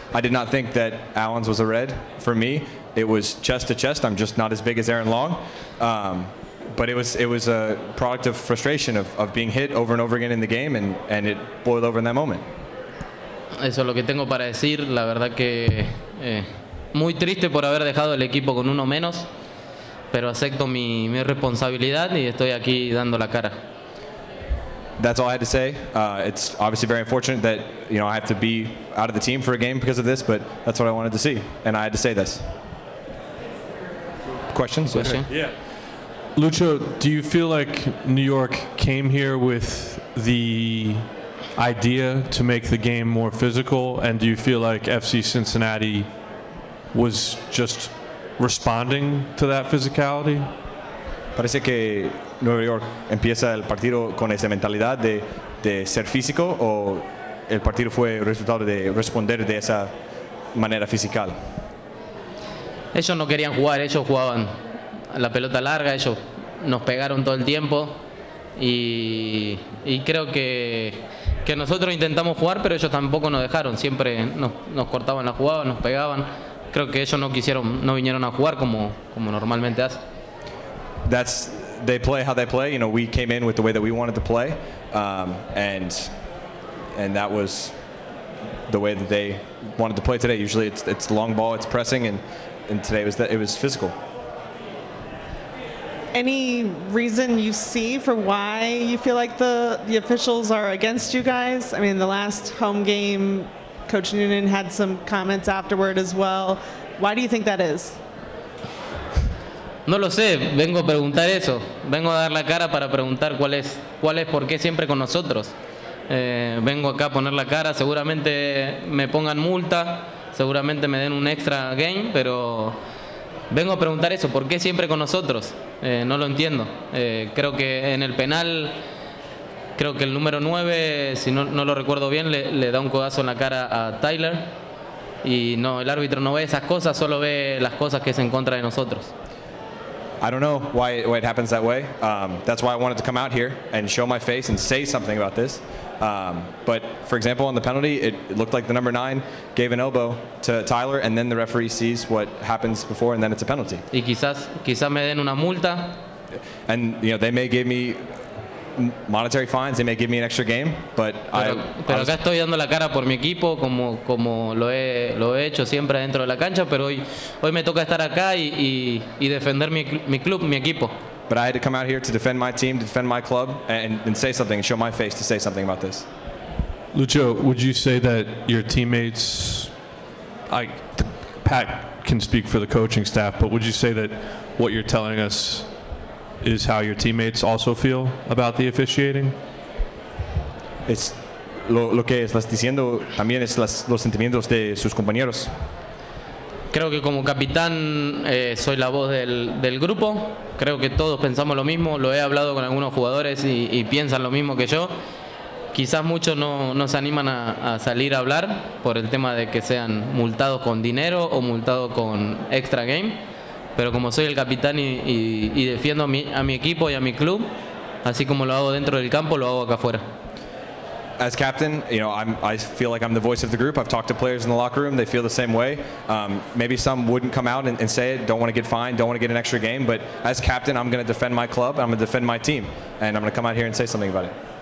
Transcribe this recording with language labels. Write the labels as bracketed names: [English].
[English] I did not think that Allen's was a red. For me, it was chest to chest. I'm just not as big as Aaron Long. But it was a product of frustration of being hit over and over again in the game and it boiled over in that moment. [Spanish] Eso es lo que tengo para decir. La verdad que muy triste por haber dejado el equipo con uno menos, pero acepto mi responsabilidad y estoy aquí dando la cara. [English] That's all I had to say. It's obviously very unfortunate that, you know, I have to be out of the team for a game because of this, but that's what I wanted to see and I had to say this. Questions? Question. Yeah. Lucho, do you feel like New York came here with the idea to make the game more physical? And do you feel like FC Cincinnati was just responding to that physicality? [Spanish] Parece que Nueva York empieza el partido con esa mentalidad de ser físico, o el partido fue resultado de responder de esa manera physical? Ellos no querían jugar, ellos jugaban la pelota larga, ellos nos pegaron todo el tiempo y creo que nosotros intentamos jugar, pero ellos tampoco nos dejaron, siempre nos cortaban la jugada, nos pegaban. Creo que ellos no vinieron a jugar como normalmente hacen. [English] That's, they play how they play, you know, we came in with the way that we wanted to play, and that was the way that they wanted to play today. Usually it's long ball, it's pressing, and today it was physical. Any reason you see for why you feel like the officials are against you guys? I mean, the last home game, Coach Noonan had some comments afterward as well. Why do you think that is? [Spanish] No lo sé. Vengo a preguntar eso. Vengo a dar la cara para preguntar cuál es por qué siempre con nosotros. Vengo acá a poner la cara. Seguramente me pongan multa. Seguramente me den un extra game, pero vengo a preguntar eso, ¿por qué siempre con nosotros? No lo entiendo. Creo que en el penal, creo que el número 9, si no lo recuerdo bien, le da un codazo en la cara a Tyler. Y no, el árbitro no ve esas cosas, solo ve las cosas que es en contra de nosotros. [English] I don't know why it happens that way. That's why I wanted to come out here and show my face and say something about this. But for example, on the penalty, it looked like the number 9 gave an elbow to Tyler, and then the referee sees what happens before, and then it's a penalty. [Spanish] Y quizás me den una multa. [English] And you know, they may give me monetary fines. They may give me an extra game. But [Spanish] pero acá estoy dando la cara por mi equipo, como lo he hecho siempre dentro de la cancha. Pero hoy me toca estar acá y defender mi club, mi equipo. But I had to come out here to defend my team, to defend my club, and say something, show my face to say something about this. [English] Lucho, would you say that your teammates, Pat can speak for the coaching staff, but would you say that what you're telling us is how your teammates also feel about the officiating? [Spanish] Es lo que estás diciendo, también es los sentimientos de sus compañeros. Creo que como capitán soy la voz del grupo. Creo que todos pensamos lo mismo. Lo he hablado con algunos jugadores y piensan lo mismo que yo. Quizás muchos no se animan a salir a hablar por el tema de que sean multados con dinero o multados con extra game. Pero como soy el capitán y defiendo a mi equipo y a mi club, así como lo hago dentro del campo, lo hago acá afuera. [English] as captain, you know, I feel like I'm the voice of the group. I've talked to players in the locker room. They feel the same way. Maybe some wouldn't come out and say it, don't want to get fined, don't want to get an extra game. But as captain, I'm going to defend my club. I'm going to defend my team. And I'm going to come out here and say something about it.